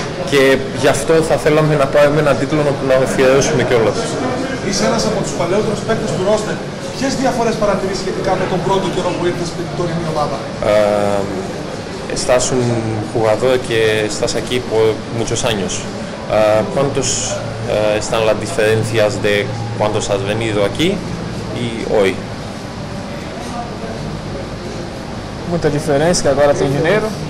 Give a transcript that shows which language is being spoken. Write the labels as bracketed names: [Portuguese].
[Greek] Και γι' αυτό θα θέλαμε να πάρουμε έναν τίτλο να τον αφιερώσουμε κιόλας. Είσαι ένας από τους παλαιότερους παίκτες του ρόστερ. Ποιες διαφορές παρατηρείς σχετικά με τον πρώτο καιρό που ήρθες με την τωρινή ομάδα? [Spanish] Estás un jugador que estás aquí por muchos años. ¿Cuántos están las diferencias de cuántos has venido aquí y hoy? [Portuguese] muita diferença, que agora tem dinheiro.